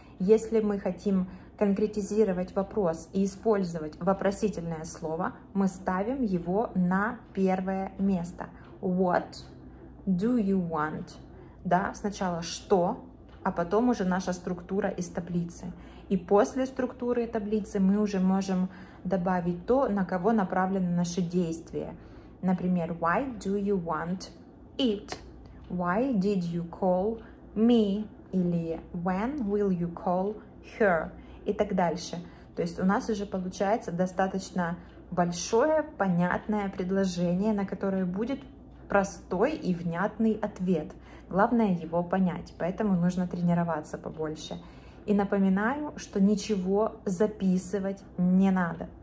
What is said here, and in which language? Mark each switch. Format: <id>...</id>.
<ru>Если мы хотим конкретизировать вопрос и использовать вопросительное слово, мы ставим его на первое место.</ru> <en>What do you want?</en> <ru>Да, сначала что? А потом уже наша структура из таблицы. И после структуры таблицы мы уже можем добавить то, на кого направлены наши действия.</ru> <en>Например, why do you want it? Why did you call me? Или when will you call her?</en> <ru>И так дальше. То есть у нас уже получается достаточно большое, понятное предложение, на которое будет простой и внятный ответ. Главное его понять, поэтому нужно тренироваться побольше. И напоминаю, что ничего записывать не надо.</ru>